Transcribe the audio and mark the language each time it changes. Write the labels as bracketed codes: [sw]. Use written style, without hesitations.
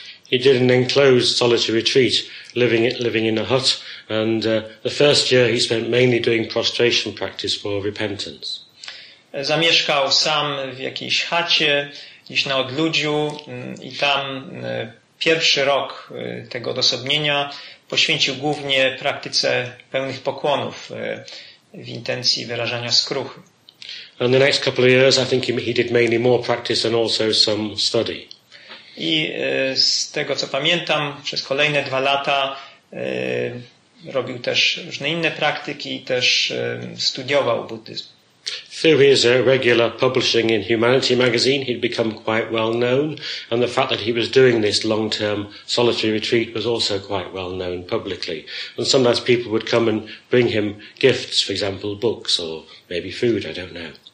[en] He did an enclosed solitary retreat, living in a hut, and the first year he spent mainly doing prostration practice for repentance. [pl] Zamieszkał sam w jakiejś chacie, gdzieś na odludziu, i tam pierwszy rok tego odosobnienia poświęcił głównie praktyce pełnych pokłonów w intencji wyrażania skruchy. [en] And the next couple of years, I think he did mainly more practice and also some study. [pl] I z tego, co pamiętam, przez kolejne dwa lata robił też różne inne praktyki i też studiował buddyzm. [en] Through his regular publishing in Humanity magazine, he'd become quite well known, and the fact that he was doing this long-term solitary retreat was also quite well known publicly. And sometimes people would come and bring him gifts, for example, books or maybe food, I don't know.